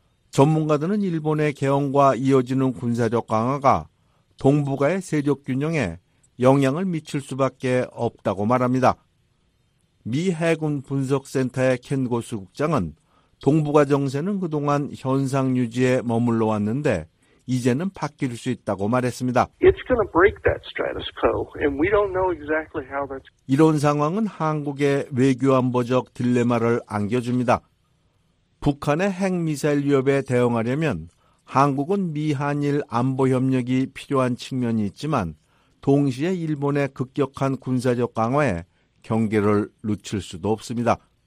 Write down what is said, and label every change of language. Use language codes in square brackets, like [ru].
[ko] 전문가들은 일본의 개헌과 이어지는 군사적 강화가 동북아의 세력 균형에 영향을 미칠 수밖에 없다고 말합니다. 미 해군 분석센터의 켄 고스 국장은 동북아 정세는 그동안 현상 유지에 머물러 왔는데 이제는 바뀔 수 있다고 말했습니다. [en] It's going to break that status quo, and we don't know exactly how that's... [ko] 이런 상황은 한국의 외교안보적 딜레마를 안겨줍니다. 북한의 핵미사일 위협에 대응하려면 한국은 미한일 안보협력이 필요한 측면이 있지만 동시에 일본의 급격한 군사적 강화에 경계를 놓칠 수도 없습니다.